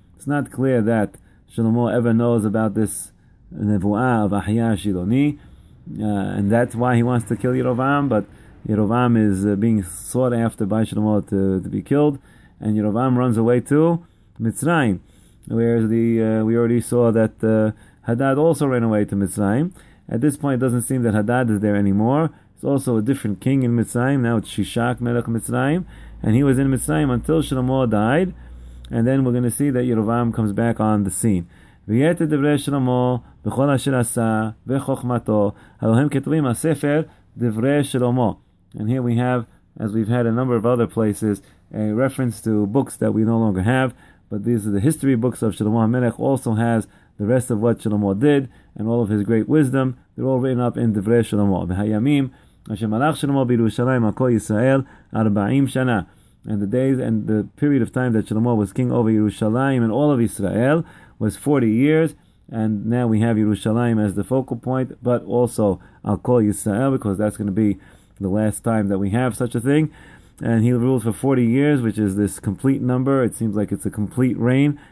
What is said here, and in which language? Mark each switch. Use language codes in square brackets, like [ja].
[en] It's not clear that Shlomo ever knows about this nevuah of Ahiyah Shiloni, and that's why he wants to kill Yerovam, but Yerovam is being sought after by Shlomo to be killed, and Yerovam runs away to Mitzrayim, whereas we already saw that Hadad also ran away to Mitzrayim. At this point, it doesn't seem that Hadad is there anymore. It's also a different king in Mitzrayim. Now it's Shishak Melech Mitzrayim, and he was in Mitzrayim until Shlomo died, and then we're going to see that Yerovam comes back on the scene. [he] ויתר דברי שלמה בכל אשר עשה וחוכמתו הלא הם כתובים הספר דברי שלמה. [en] And here we have, as we've had a number of other places, a reference to books that we no longer have, but these are the history books of Shlomo HaMelech. Also has the rest of what Shlomo did and all of his great wisdom. They're all written up in דברי שלמה. [he] והימים אשר מלך שלמה בירושלים על כל ישראל 40 שנה. [en] And the days and the period of time that Shlomo was king over Yerushalayim and all of Israel was 40 years, and now we have Yerushalayim as the focal point, but also Al Kol Yisrael, because that's going to be the last time that we have such a thing. And he ruled for 40 years, which is this complete number. It seems like it's a complete reign.